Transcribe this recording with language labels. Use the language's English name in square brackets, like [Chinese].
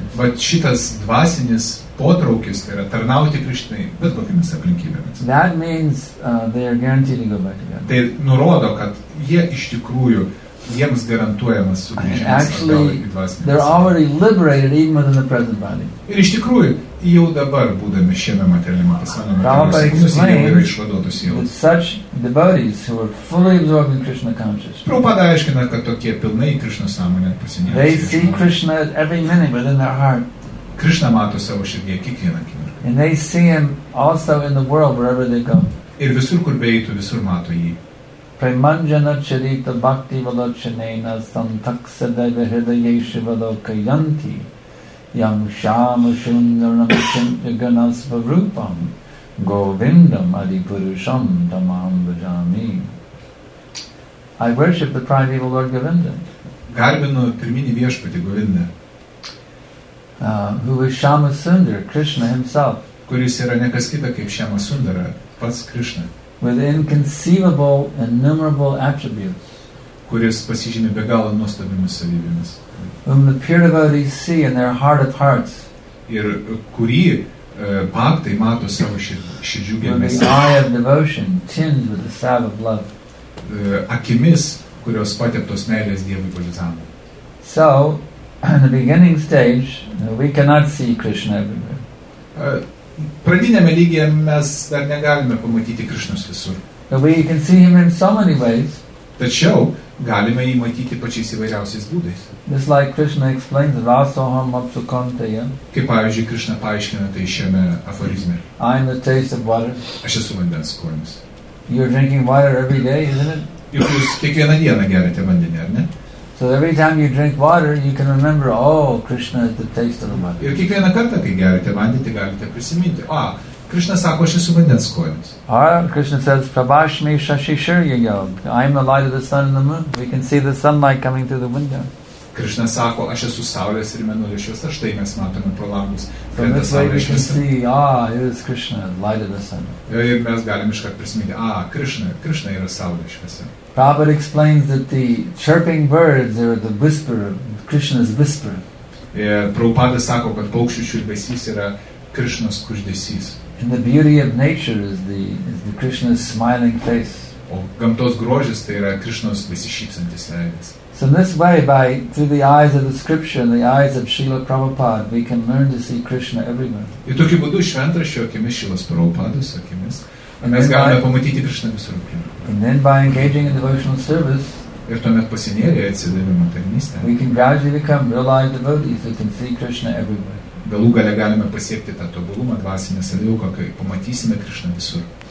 [Lithuanian] Vat šitas dvasinis potraukis, tai yra tarnauti Krishnai, bet kokiamis aplinkybėmis. [English] That means they are guaranteed to go back to God. [Lithuanian] Tai nurodo, kad jie iš tikrųjų, jiems garantuojamas sugrįžimas atgal į dvasinį. [English] They're already liberated even within the present body. [Lithuanian] Ir iš tikrųjų, jau dabar būdami šiame materialiame pasaulyje, jau yra išvaduotos sielos. [English] Such devotees who are fully absorbed in Krishna consciousness. [Lithuanian] Prabhupada aiškina, kad tokie pilnai Krishna sąmonė pasinėjusi. [English] They see Krishna every minute within their heart. [Lithuanian] Krishna mato savo širdyje kiekvieną akimirką. [English] And they see him also in the world wherever they go. [Lithuanian] Ir visur, kur beeitų, visur mato jį. [Sanskrit] Premanjana charita bhakti valachanena santaksada hridaye shivaloka yanti yam shama shundaram chintaganas varupam govindam adipurusham tamam vajami. [English] I worship the primeval Lord Govinda. [Lithuanian] Garbinu pirmini viešpatį Govinda. [English] Who is Shama Sundar, Krishna himself. [Lithuanian] Kuris yra nekas kita kaip Shama Sundara, pats Krishna. [English] With inconceivable, innumerable attributes. [Lithuanian] Kuris pasižymi be galo nuostabiomis savybėmis. [English] Whom the pure devotees see in their heart of hearts. [Lithuanian] Ir kurį bhakti mato savo širdžių gelmes. [English] The eye of devotion tinged with the salve of love. [Lithuanian] Akimis, kurios pateptos meilės Dievui Bodhisattvai. [English] So, in the beginning stage, we cannot see Krishna everywhere. [Lithuanian] Pradiniame lygyje mes dar negalime pamatyti Krishnos visur. [English] But we can see him in so many ways. [Lithuanian] Tačiau galime jį matyti pačiais įvairiausiais būdais. [English] Just like Krishna explains [Sanskrit] rasoham apsukantaya. [Lithuanian] Kaip pavyzdžiui Krishna paaiškina tai šiame aforizme. [English] I am the taste of water. [Lithuanian] Aš esu vandens skonis. [English] You're drinking water every day, isn't it? [Lithuanian] Juk jūs kiekvieną dieną geriate vandenį, ar ne? [English] So every time you drink water, you can remember, oh, Krishna is the taste of the water. [Lithuanian] Ir kiekvieną kartą, kai geriate vandenį, galite prisiminti, o, Krishna sako, aš esu vandens skonis. [English] Krishna says, [Sanskrit] prabhashmi shashishurya yoga. [English] I am the light of the sun and the moon. We can see the sunlight coming through the window. [Lithuanian] Krishna sako, aš esu saulės ir mėnulio šviesa, štai mes matome pro langus. [English] From this way we can see, here is Krishna, light of the sun. [Lithuanian] Ir mes galim iškart prisiminti, Krishna yra saulės šviesa. [English] Prabhupada explains that the chirping birds are the whisper, Krishna's whisper. [Lithuanian] Prabhupada sako, kad paukščių čiulbesys yra Krishna's kuždesys. [English] And the beauty of nature is the Krishna's smiling face. [Lithuanian] O gamtos grožis tai yra Krishna's besišypsantis veidas. [English] So in this way, through the eyes of the scripture, the eyes of Srila Prabhupada, we can learn to see Krishna everywhere. [Lithuanian] Ir tokiu būdu šventraščio akimis, Srilas Prabhupados akimis, mes galime pamatyti Krishna visur aplinkui. [English] And then by engaging in devotional service, [Lithuanian] ir tuomet pasinėrėję atsidavimo tarnystę, [English] we can gradually become realized devotees who can see Krishna everywhere. [Lithuanian] Galų gale galime pasiekti tą tobulumą dvasinę savijauką, kai pamatysime Krishna visur.